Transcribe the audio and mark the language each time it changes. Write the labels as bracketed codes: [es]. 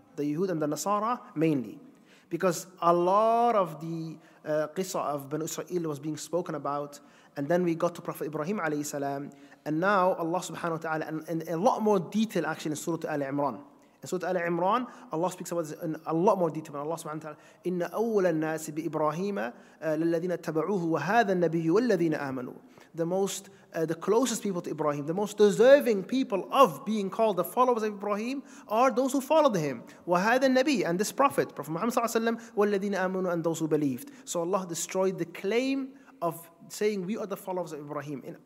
[en] the Yehud and the Nasara mainly. Because a lot of the Qisah of Banu Israel was being spoken about, and then we got to Prophet Ibrahim alayhi salam, and now Allah subhanahu wa ta'ala, and a lot more detail actually in Surah Al Imran. In Surah Al Imran, Allah speaks about this in a lot more detail. And Allah subhanahu wa ta'ala, [ar] إِنَّ أَوَّلَ النَّاسِ بِإِبْرَاهِيمَ لَلَّذِينَ اتَّبَعُوهُ وَهَذَا النَّبِيُّ وَالَّذِينَ آمَنُوا. [en] The most, the closest people to Ibrahim, the most deserving people of being called the followers of Ibrahim are those who followed him. [ar] وَهَذَا النَّبِيُّ, [en] and this Prophet, Prophet Muhammad sallallahu alayhi wa sallam, [ar] وَالَّذِينَ آمَنُوا, [en] and those who believed. So Allah destroyed the claim of saying we are the followers of Ibrahim.